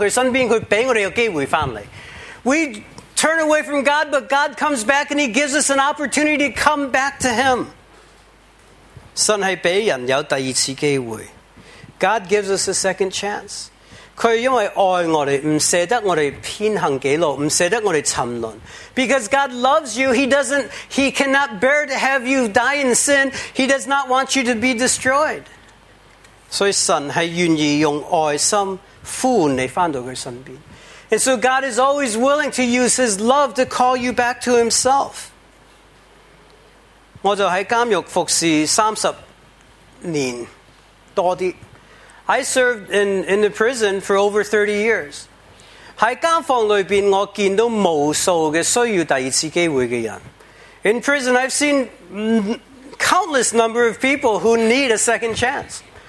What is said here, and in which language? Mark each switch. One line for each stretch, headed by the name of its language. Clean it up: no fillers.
Chinese: 我们远离神,但是神是想我们回到祂身边,祂给我们一个机会回来。
English: We turn away from God, but God comes back and he gives us an opportunity to come back to him.
Chinese: 神是给人有第二次机会。
English: God gives us a second chance.
Chinese: 祂因为爱我们,不舍得我们偏行几路,不舍得我们沉沦。
English: Because God loves you, he cannot bear to have you die in sin. He does not want you to be destroyed.
Chinese: 所以神是愿意用爱心呼唤你回到祂身边。
English: And so God is always willing to use his love to call you back to himself.
Chinese: 我就在监狱服侍30年多一点。
English: I served in the prison for over 30 years.
Chinese: 在监房里面,我见到无数的需要第二次机会的人。
English: In prison, I've seen countless number of people who need a second chance.